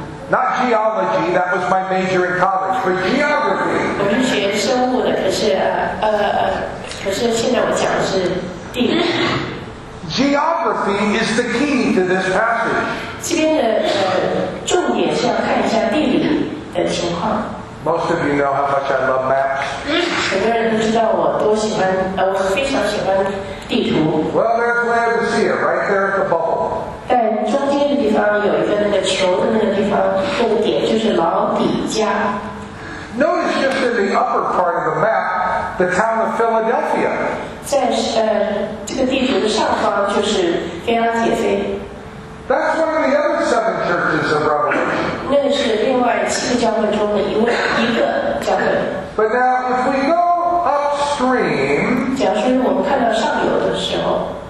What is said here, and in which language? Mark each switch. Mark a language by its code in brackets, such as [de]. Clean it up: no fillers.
[en] Not geology, that was my major in college, but geography. Mm-hmm. Geography is the key to this passage. [zh] 这边的重点是要看一下地理的情况。 [en] Most of you know how much I love maps. [zh] 很多人都知道我多喜欢，我非常喜欢地图。 [en] Well, there's Laodicea, right there at the bubble. [zh] 但中间的地方有一个那个球的那个地方，那个点就是老底家。 [en] Notice just in the upper part of the map, the town of Philadelphia. [zh] 在这个地图的上方就是菲拉铁菲。 [en] That's one of the other seven churches of Revelation. [zh] 那是另外七个教会中的一个教会。 [en] But now, if we go upstream, [zh] 假如说我们看到上游的时候，